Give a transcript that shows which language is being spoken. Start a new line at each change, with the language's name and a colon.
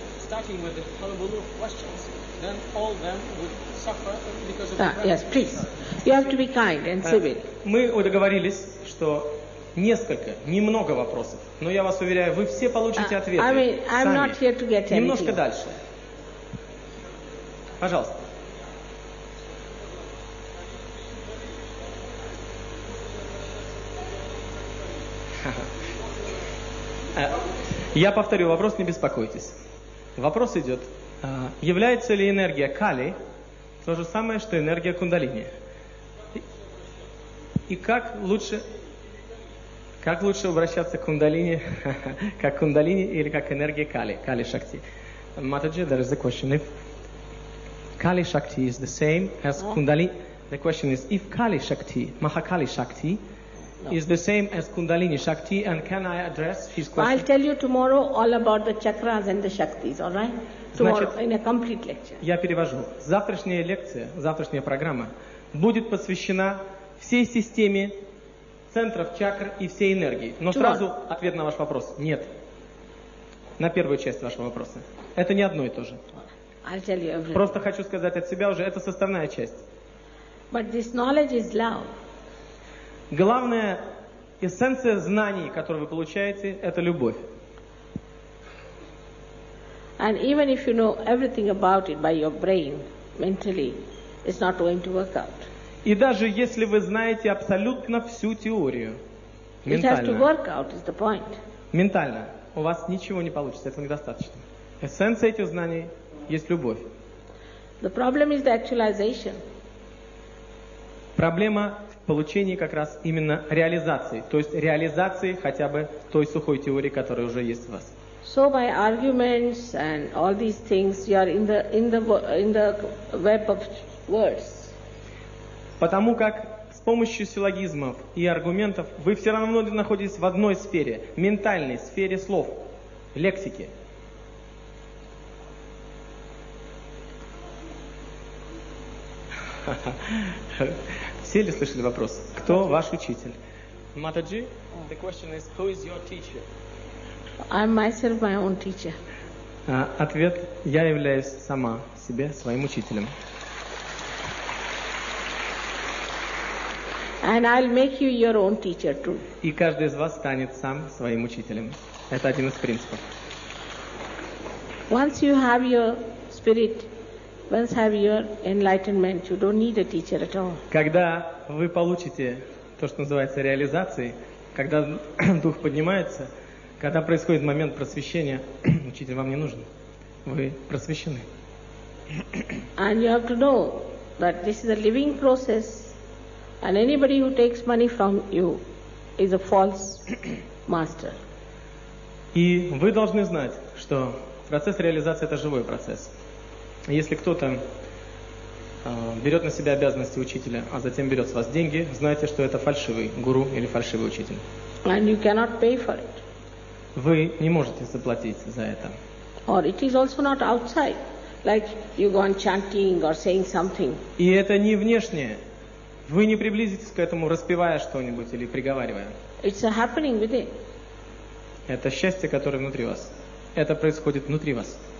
English: Starting with the hullabaloo questions, then all of them would suffer because of Yes, please. You have to be kind and civil.
Russian: Мы договорились, что несколько, немного вопросов, но я вас уверяю, вы все получите ответы.
English: I mean, I'm not here to get anything.
Russian: Немножко дальше. Пожалуйста. Я повторю вопрос, не беспокойтесь. Вопрос идет, является ли энергия Кали то же самое, что энергия Кундалини? И как лучше обращаться к Кундалини, как Кундалини или как энергия Кали, Кали Шакти?
English: Mataji, there is a question. If Kali Shakti is the same as Kundalini, the question is, if Kali Shakti, Mahakali Shakti, is the same as Kundalini Shakti, and can I address his question? I'll tell you tomorrow all about the chakras and the shaktis, all right? Tomorrow, in a complete lecture.
Russian: Я перевожу. Завтрашняя лекция, завтрашняя программа будет посвящена всей системе центров чакр и всей энергии. Но сразу ответ на ваш вопрос. Нет. На первую часть вашего вопроса. Это не одно и то же.
English: I'll tell you everything.
Russian: Просто хочу сказать от себя уже, это составная часть.
English: But this knowledge is love.
Russian: Главная эссенция знаний, которую вы получаете, это любовь.
English: And even if you know everything about it by your brain, mentally, it's not going to work out.
Russian: И даже если вы знаете абсолютно всю теорию, ментально,
English: it has to work out, is the point.
Russian: Ментально, у вас ничего не получится, этого недостаточно. Эссенция этих знаний есть любовь.
English: The problem is the actualization.
Russian: Проблема в получении как раз именно реализации, то есть реализации хотя бы той сухой теории, которая уже есть в вас.
English: So by arguments and all these things, you are in the web of words.
Russian: Потому как с помощью силлогизмов и аргументов вы все равно находитесь в одной сфере, ментальной сфере слов, лексики. Все ли слышали вопрос? Кто ваш учитель?
English: Mataji, the question is, who is your teacher? I'm myself my own teacher.
Russian: Ответ, я являюсь сама себе своим учителем.
English: And I'll make you your own teacher too.
Russian: И каждый из вас станет сам своим учителем. Это один из принципов.
English: Once you have your spirit, once have your enlightenment, you don't need a teacher at all.
Russian: Когда вы получите то, что называется реализацией, когда дух поднимается, когда происходит момент просвещения, учитель вам не нужен. Вы просвещены.
English: And you have to know that this is a living process, and anybody who takes money from you is a false master.
Russian: И вы должны знать, что процесс реализации — это живой процесс. Если кто-то берет на себя обязанности учителя, а затем берет с вас деньги, знайте, что это фальшивый гуру или фальшивый учитель.
English: And you cannot pay for it.
Russian: Вы не можете заплатить за это.
English: Or it is also not outside, like you go on chanting or saying something.
Russian: И это не внешнее. Вы не приблизитесь к этому, распевая что-нибудь или приговаривая.
English: It's a happening within.
Russian: Это счастье, которое внутри вас. Это происходит внутри вас.